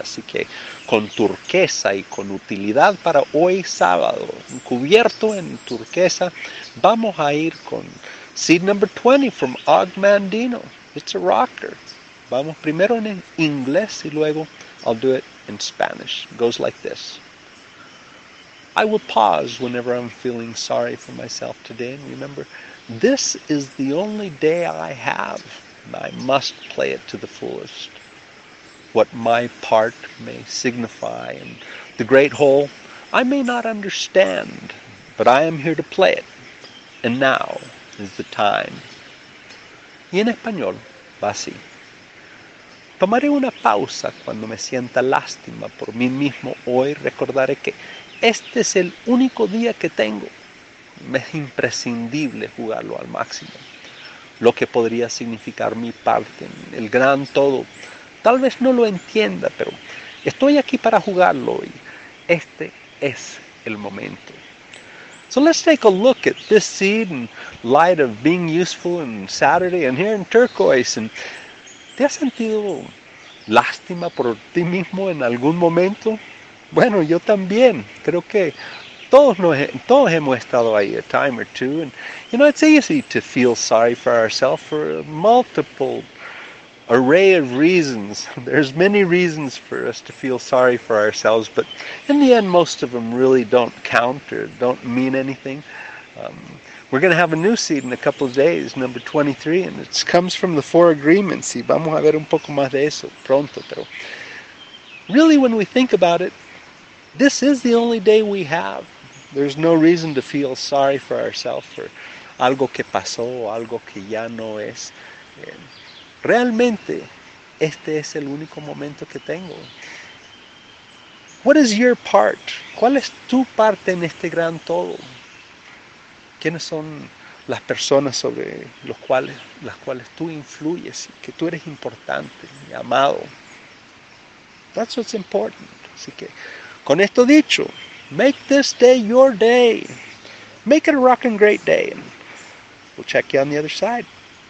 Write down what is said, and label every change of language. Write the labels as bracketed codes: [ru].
[es] Así que con turquesa y con utilidad para hoy, sábado, cubierto en turquesa, vamos a ir con seed number 20 from Og Mandino. It's a rocker. Vamos primero en inglés y luego I'll do it in Spanish. [en] It goes like this. I will pause whenever I'm feeling sorry for myself today. And remember, this is the only day I have, and I must play it to the fullest. What my part may signify and the great whole, I may not understand, but I am here to play it. And now is the time. Y en español, va así. [es] Tomaré una pausa cuando me sienta lástima por mí mismo hoy. Recordaré que este es el único día que tengo. Me es imprescindible jugarlo al máximo. Lo que podría significar mi parte en el gran todo, tal vez no lo entienda, pero estoy aquí para jugarlo y este es el momento. [en] So let's take a look at this seed in light of being useful on Saturday and here in turquoise. [es] And ¿te has sentido lástima por ti mismo en algún momento? Bueno, yo también. Creo que todos hemos estado ahí a time or two. [en] And, you know, it's easy to feel sorry for ourselves for a multiple array of reasons. There's many reasons for us to feel sorry for ourselves, but in the end, most of them really don't count or don't mean anything. We're going to have a new seed in a couple of days, number 23, and it comes from the Four Agreements. [es] Y vamos a ver un poco más de eso pronto. [en] Pero really, when we think about it, this is the only day we have. There's no reason to feel sorry for ourselves for algo que pasó o algo que ya no es. [es] Realmente, este es el único momento que tengo. What is your part? ¿Cuál es tu parte en este gran todo? ¿Quiénes son las personas sobre las cuales tú influyes? Que tú eres importante y amado. That's what's important. [en] Así que, con esto dicho, make this day your day. Make it a rockin' great day. And we'll check you on the other side.